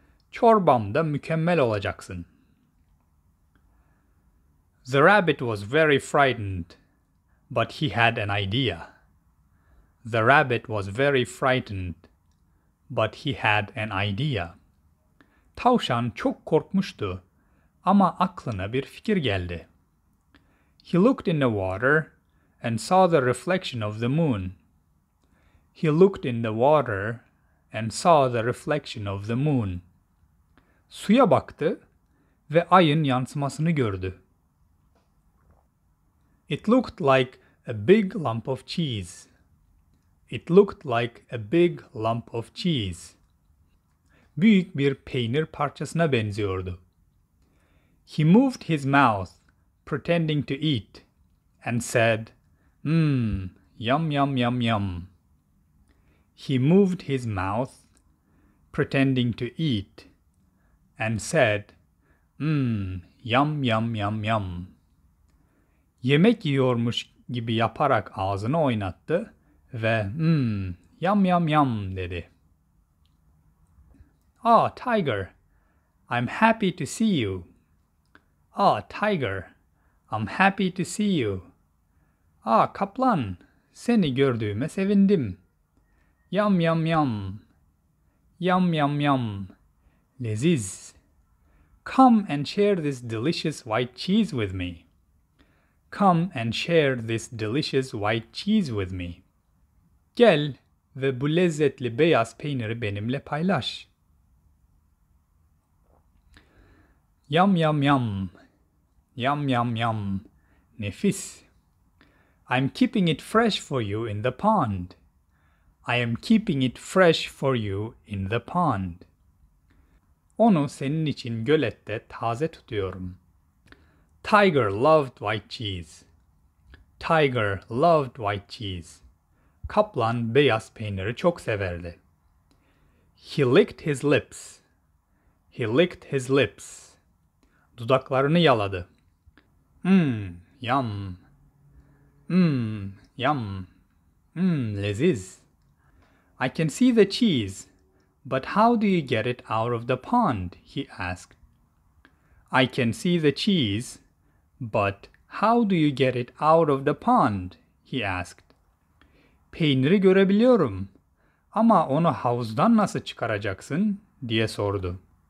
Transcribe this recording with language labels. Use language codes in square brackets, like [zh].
[tr] Çorbamda mükemmel olacaksın. [en] The rabbit was very frightened, but he had an idea. The rabbit was very frightened, but he had an idea. [tr] Tavşan çok korkmuştu, ama aklına bir fikir geldi. [en] He looked in the water and saw the reflection of the moon. He looked in the water and saw the reflection of the moon. [tr] Suya baktı ve ayın yansımasını gördü. [en] It looked like a big lump of cheese. It looked like a big lump of cheese. [tr] Büyük bir peynir parçasına benziyordu. [en] He moved his mouth, pretending to eat, and said, "Mmm, yum, yum, yum, yum." He moved his mouth, pretending to eat, and said, "Mmm, yum, yum, yum, yum." [tr] Yemek yiyormuş gibi yaparak ağzını oynattı ve "Mmm, yum, yum, yum" dedi. [en] "Ah, oh, tiger, I'm happy to see you. Ah, oh, tiger, I'm happy to see you. [tr] Ah, oh, kaplan, seni gördüğüme sevindim. Yum, yum, yum. Yum, yum, yum. Leziz. [en] Come and share this delicious white cheese with me. Come and share this delicious white cheese with me. [tr] Gel ve bu lezzetli beyaz peyniri benimle paylaş. Yum, yum, yum. Yum, yum, yum. Nefis. [en] I'm keeping it fresh for you in the pond. I am keeping it fresh for you in the pond. [tr] Onu senin için gölette taze tutuyorum. [en] Tiger loved white cheese. Tiger loved white cheese. [tr] Kaplan beyaz peyniri çok severdi. [en] He licked his lips. He licked his lips. [tr] Dudaklarını yaladı. Mmm, yum. Mmm, yum. Mmm, leziz. [en] I can see the cheese, but how do you get it out of the pond? He asked. I can see the cheese, but how do you get it out of the pond? he asked. [tr] Peyniri görebiliyorum ama onu havuzdan nasıl çıkaracaksın diye sordu.